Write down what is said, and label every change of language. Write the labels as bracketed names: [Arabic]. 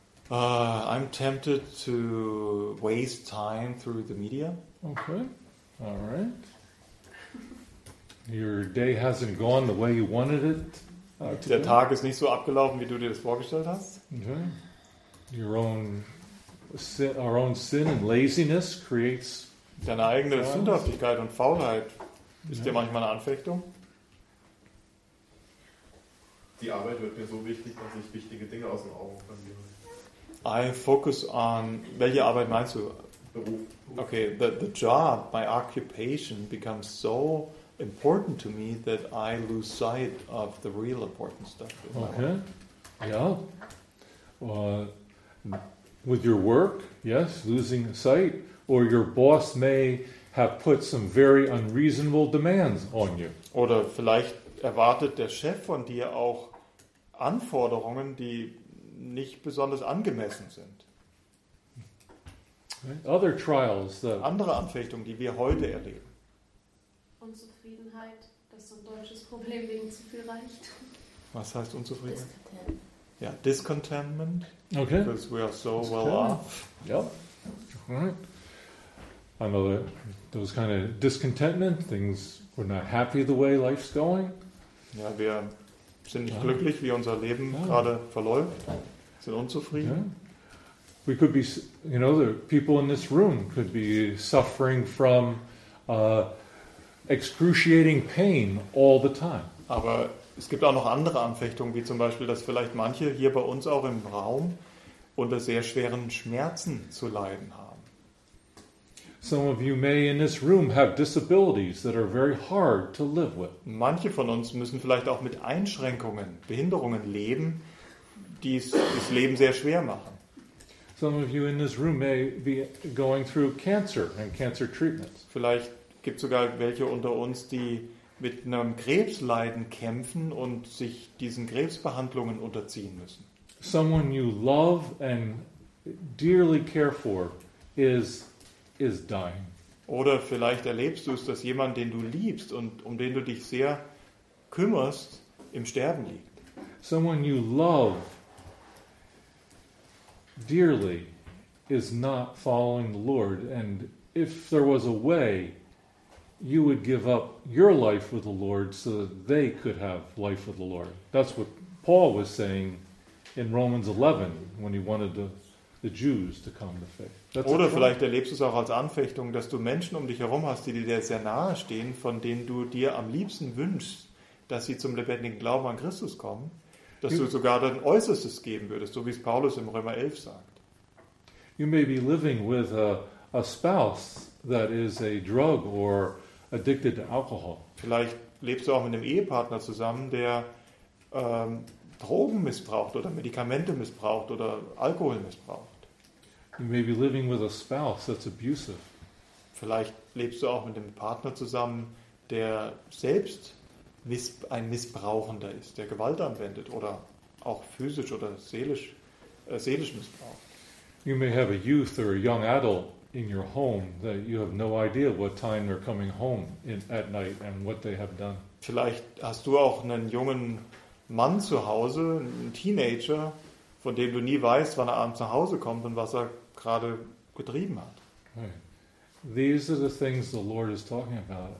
[English] I'm tempted to waste time through the media. Okay, all right. Your day hasn't gone the way you wanted it. [German] Der Tag ist nicht so abgelaufen, wie du dir das vorgestellt hast. [English] Okay. Our own sin and laziness creates. [German] Deine eigene Sündhaftigkeit und Faulheit ist dir manchmal eine Anfechtung. Die Arbeit wird mir so wichtig, dass ich wichtige Dinge aus den Augen verliere. [English] I focus on... [German] Welche Arbeit meinst du? Beruf. [English] Okay, the job, my occupation, becomes so important to me that I lose sight of the real important stuff. Okay. Yeah. With your work, yes, losing sight. Or your boss may have put some very unreasonable demands on you. [German] Oder vielleicht erwartet der Chef von dir auch Anforderungen, die nicht besonders angemessen sind. [English] Other trials, [German] andere Anfechtungen, die wir heute erleben. Unzufriedenheit, das ist ein deutsches Problem wegen zu viel Reichtum. Was heißt Unzufriedenheit? [English] Discontent. Ja, Discontentment. Okay. Because we are so well off. Yep. All right. I know that those kind of discontentment, things we're not happy the way life's going. [German] Ja, wir sind nicht glücklich, wie unser Leben gerade verläuft. Sind unzufrieden. [English] Yeah. We could be, the people in this room could be suffering from excruciating pain all the time. [German] Aber es gibt auch noch andere Anfechtungen, wie zum Beispiel, dass vielleicht manche hier bei uns auch im Raum unter sehr schweren Schmerzen zu leiden haben. [English] Some of you may in this room have disabilities that are very hard to live with. [German] Manche von uns müssen vielleicht auch mit Einschränkungen, Behinderungen leben, die das Leben sehr schwer machen. [English] Some of you in this room may be going through cancer and cancer treatments. [German] Vielleicht gibt es sogar welche unter uns, die mit einem Krebsleiden kämpfen und sich diesen Krebsbehandlungen unterziehen müssen. [English] Someone you love and dearly care for is dying. [German] Oder vielleicht erlebst du es, dass jemand, den du liebst und um den du dich sehr kümmerst, im Sterben liegt. [English] Someone you love dearly is not following the Lord, and if there was a way, you would give up your life with the Lord so that they could have life with the Lord. That's what Paul was saying in Romans 11 when he wanted the Jews to come to faith. [German] Oder vielleicht erlebst du es auch als Anfechtung, dass du Menschen um dich herum hast, die dir sehr nahe stehen, von denen du dir am liebsten wünschst, dass sie zum lebendigen Glauben an Christus kommen, dass du sogar dein Äußerstes geben würdest, so wie es Paulus im Römer 11 sagt. [English] You may be living with a spouse that is a drug or addicted to alcohol. [German] Vielleicht lebst du auch mit einem Ehepartner zusammen, der Drogen missbraucht oder Medikamente missbraucht oder Alkohol missbraucht. [English] You may be living with a spouse that's abusive. [German] Vielleicht lebst du auch mit einem Partner zusammen, der selbst ein Missbrauchender ist, der Gewalt anwendet oder auch physisch oder seelisch missbraucht. [English] You may have a youth or a young adult in your home that you have no idea what time they're coming home at night and what they have done. [German] Vielleicht hast du auch einen jungen Mann zu Hause, einen Teenager, von dem du nie weißt, wann er abends nach Hause kommt und was er gerade getrieben hat. [English] Right. These are the things the Lord is talking about.